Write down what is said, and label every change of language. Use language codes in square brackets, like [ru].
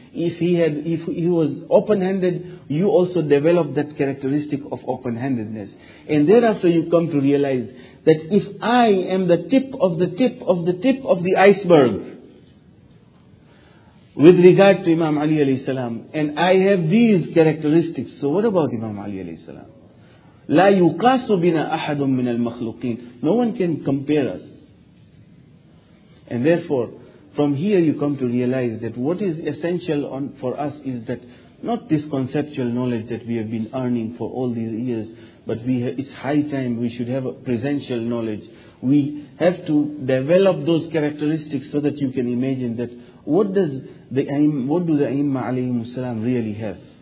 [en] If he was open-handed, you also developed that characteristic of open-handedness. And thereafter you come to realize that if I am the tip of the tip of the tip of the iceberg with regard to Imam Ali alayhi salam, and I have these characteristics, so what about Imam Ali alayhi salam? [ar] لا يقاس بنا أحد من المخلوقين. [en] No one can compare us. And therefore, from here you come to realize that what is essential for us is that not this conceptual knowledge that we have been earning for all these years, but it's high time we should have a presential knowledge. We have to develop those characteristics so that you can imagine that what do the Imam alayhi salam really have.